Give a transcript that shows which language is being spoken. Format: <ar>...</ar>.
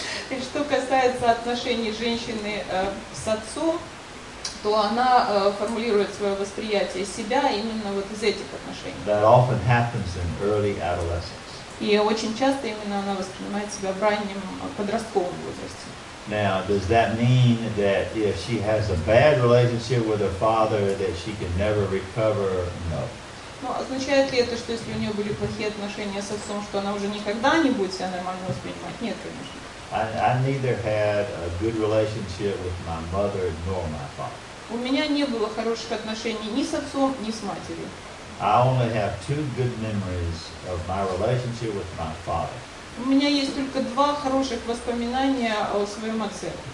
<ru>И что касается отношений женщины с отцом, то она формулирует свое восприятие себя именно вот из этих отношений.</ru> <en>That often happens in early adolescence.</en> <ru>И очень часто именно она воспринимает себя в раннем подростковом возрасте.</ru> <en>Now, does that mean that if she has a bad relationship with her father, that she can never recover? No.</en> <ru>Ну, означает ли это, что если у нее были плохие отношения с отцом, что она уже никогда не будет себя нормально воспринимать? Нет, конечно.</ru> <en>I neither had a good relationship with my mother nor my father.</en> <ru>У меня не было хороших отношений ни с отцом, ни с матерью.</ru> <en>I only have two good memories of my relationship with my father.</en> <ru>У меня есть только два хороших воспоминания о своем отце.</ru>